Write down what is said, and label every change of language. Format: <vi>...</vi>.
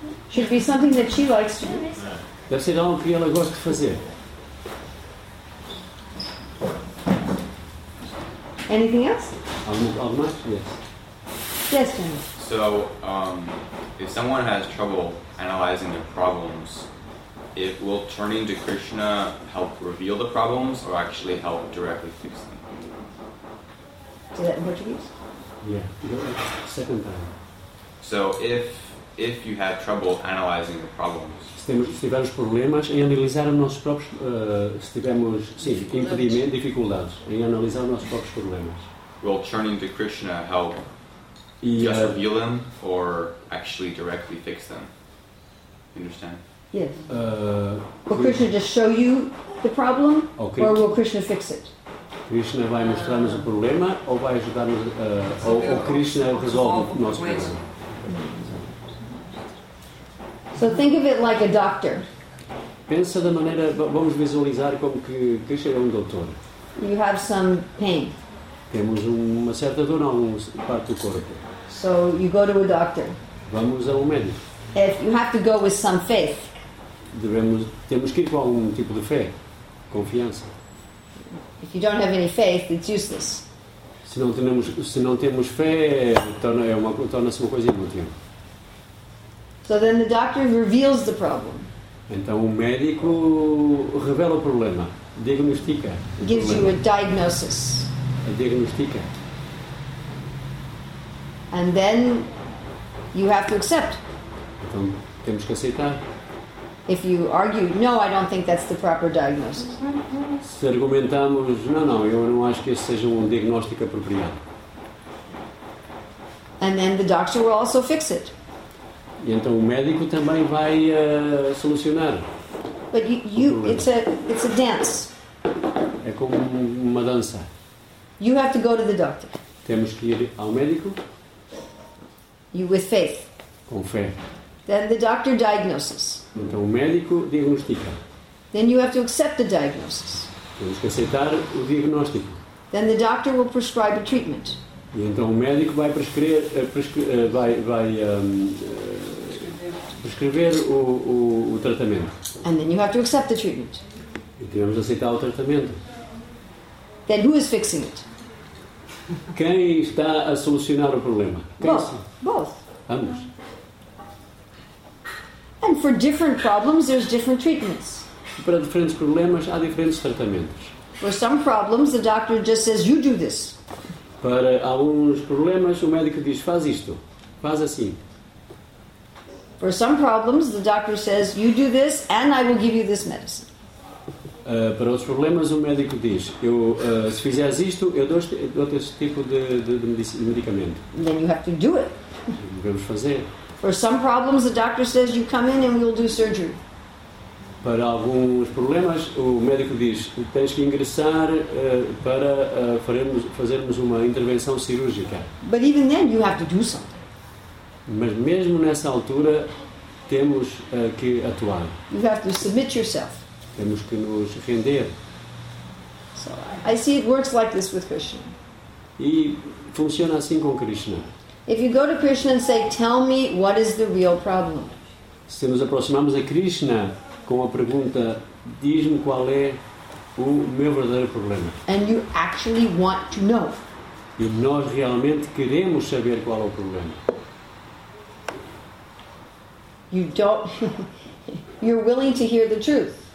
<en>Should be something that she likes to do.</en> <pt>Deve ser algo que ela gosta de fazer.</pt> <en>Anything else?</en> <pt>Algo mais?</pt> <en>Yes. Yes, Jenny. So, if someone has trouble analyzing their problems, it will turning to Krishna help reveal the problems or actually help directly fix them? Say that in Portuguese? Yeah. Second time. So if you have trouble analyzing the problems.</en> <pt>Se tivermos problemas em analisar os nossos próprios se tivermos sim, impedimento, dificuldades em analisar os nossos próprios problemas.</pt> <en>Will turning to Krishna help just reveal them or actually directly fix them? You understand? Yes. Will Krishna just show you the problem, okay, or will Krishna fix it?</en> <pt>Krishna vai mostrar-nos o problema ou vai ajudar-nos ou Krishna resolve o nosso problema?</pt> <en>So think of it like a doctor.</en> <pt>Pensa da maneira, vamos visualizar como que Krishna é doutor.</pt> <en>You have some pain.</en> <pt>Temos uma certa dor em alguma parte do corpo.</pt> <en>So you go to a doctor.</en> <pt>Vamos a médico.</pt> <en>If you have to go with some faith.</en> <pt>Temos que ir com algum tipo de fé, confiança.</pt> <en>If you don't have any faith, it's useless.</en> <pt>Se não temos fé, torna-se uma coisa inútil.</pt> <en>So then the doctor reveals the problem.</en> <pt>Então o médico revela o problema, diagnostica.</pt> <en>Gives you a diagnosis.</en> <pt>A diagnostica.</pt> <en>And then you have to accept.</en> <pt>Então temos que aceitar.</pt> <en>If you argue, no, I don't think that's the proper diagnosis.</en> <pt>Se argumentamos, não, eu não acho que esse seja um diagnóstico apropriado.</pt> <en>And then the doctor will also fix it.</en> <pt>E então o médico também vai solucionar.</pt> <en>But you it's a dance.</en> <pt>É como uma dança.</pt> <en>You have to go to the doctor.</en> <pt>Temos que ir ao médico.</pt> <en>You with faith.</en> <pt>Com fé.</pt> <en>Then the doctor diagnoses.</en> <pt>Então o médico diagnostica.</pt> <en>Then you have to accept the diagnosis.</en> <pt>Temos que aceitar o diagnóstico.</pt> <en>Then the doctor will prescribe a treatment.</en> <pt>E então o médico vai prescrever o tratamento.</pt> <en>And then you have to accept the treatment.</en> <pt>E temos que aceitar o tratamento.</pt> <en>Then who is fixing it?</en> <pt>Quem está a solucionar o problema?</pt> <en>Both.</en> <pt>Ambos.</pt> <en>And for different problems, there's different treatments.</en> <pt>Para diferentes problemas, há diferentes tratamentos.</pt> <en>For some problems, the doctor just says, you do this.</en> <pt>Para alguns problemas, o médico diz, faz isto, faz assim.</pt> <en>For some problems, the doctor says, you do this, and I will give you this medicine.</en> <pt>Para outros problemas, o médico diz, se fizeres isto, eu dou-te esse tipo de medicamento.</pt> <en>And then you have to do it.</en> <pt>Devemos fazer.</pt> <en>For some problems, the doctor says you come in and we'll do surgery.</en> <pt>Para alguns problemas, o médico diz tens que ingressar para fazermos uma intervenção cirúrgica.</pt> <en>But even then, you have to do something.</en> <pt>Mas mesmo nessa altura, temos que atuar.</pt> <en>You have to submit yourself.</en> <pt>Temos que nos render.</pt> <en>So I see it works like this with Krishna.</en> <pt>E funciona assim com Krishna.</pt> <en>If you go to Krishna and say, tell me what is the real problem.</en> <pt>Se nos aproximamos a Krishna com a pergunta, diz-me qual é o meu verdadeiro problema.</pt> <en>And you actually want to know.</en> <pt>E nós realmente queremos saber qual é o problema.</pt> <en>You don't you're willing to hear the truth.</en>